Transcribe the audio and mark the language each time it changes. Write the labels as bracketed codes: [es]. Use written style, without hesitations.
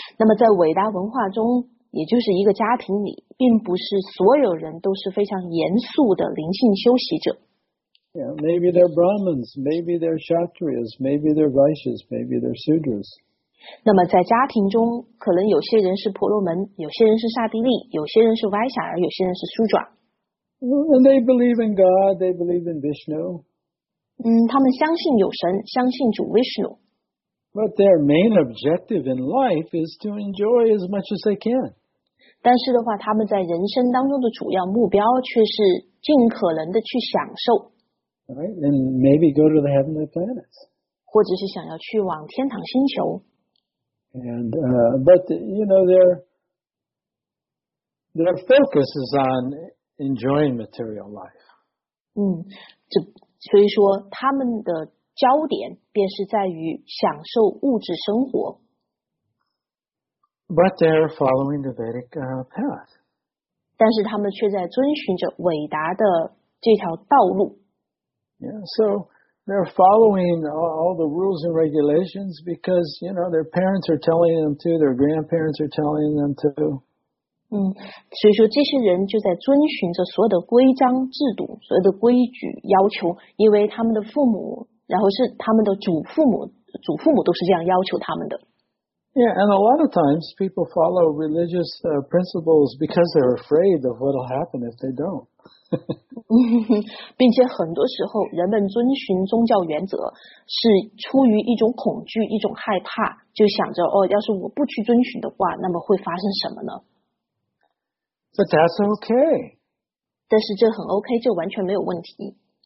[zh] 那么在韦达文化中，也就是一个家庭里，并不是所有人都是非常严肃的灵性修习者。 [en] Yeah, maybe they're Brahmins, maybe they're Kshatriyas, maybe they're Vaishyas, maybe they're Sudras. [zh] 那么在家庭中，可能有些人是婆罗门，有些人是刹帝利，有些人是歪傻，而有些人是苏爪。 [en] And they believe in God, they believe in Vishnu. [zh] 他们相信有神，相信主 Vishnu。 [en] But their main objective in life is to enjoy as much as they can. [zh] 但是的话，他们在人生当中的主要目标却是尽可能的去享受。 [en] Right, and maybe go to the heavenly planets. [zh] 或者是想要去往天堂星球。 [en] And, but, you know, their focus is on enjoying material life. [zh] 所以说他们的焦点便是在于享受物质生活。 [en] But they're following the Vedic path. [zh] 但是他们却在遵循着伟达的这条道路。 [en] Yeah, so... They're following all the rules and regulations because, you know, their parents are telling them to, their grandparents are telling them to. [zh] 所以说这些人就在遵循着所有的规章制度，所有的规矩要求，因为他们的父母，然后是他们的祖父母都是这样要求他们的。 [en] Yeah, and a lot of times people follow religious principles because they're afraid of what will happen if they don't. [zh] 并且很多时候人们遵循宗教原则是出于一种恐惧，一种害怕，就想着哦，要是我不去遵循的话，那么会发生什么呢？ [en] But that's okay. [zh] 但是这很 OK， 这完全没有问题。